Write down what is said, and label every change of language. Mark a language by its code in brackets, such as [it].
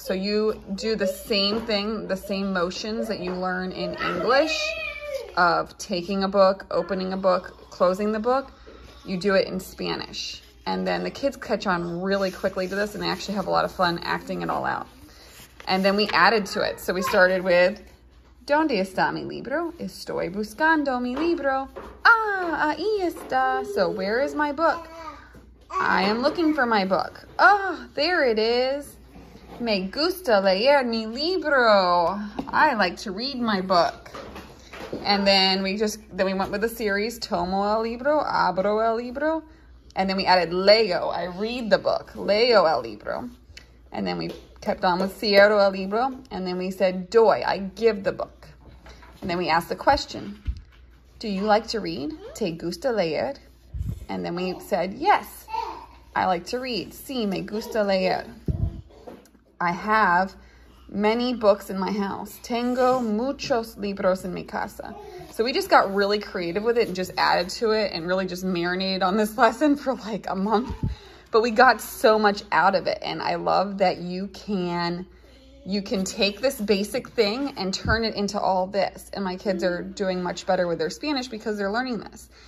[en] So you do the same thing, the same motions that you learn in English. Of taking a book, opening a book, closing the book, you do it in Spanish. And then the kids catch on really quickly to this and they actually have a lot of fun acting it all out. And then we added to it. So we started with, [es] ¿Dónde está mi libro? Estoy buscando mi libro. Ah, ahí está. [en] So where is my book? I am looking for my book. Ah, oh, there it is. [es] Me gusta leer mi libro. [en] I like to read my book. And then we went with the series, [es] tomo el libro, abro el libro, [en] and then we added leo, I read the book, [es] leo el libro. [en] And then we kept on with [es] cierro el libro, [en] and then we said doy, I give the book. And then we asked the question, do you like to read? [es] ¿Te gusta leer? [en] And then we said, yes, I like to read. [es] Sí, me gusta leer. [en] I have many books in my house. [es] Tengo muchos libros en mi casa. [en] So we just got really creative with it and just added to it and really just marinated on this lesson for like a month. But we got so much out of it. And I love that you can take this basic thing and turn it into all this. And my kids are doing much better with their Spanish because they're learning this.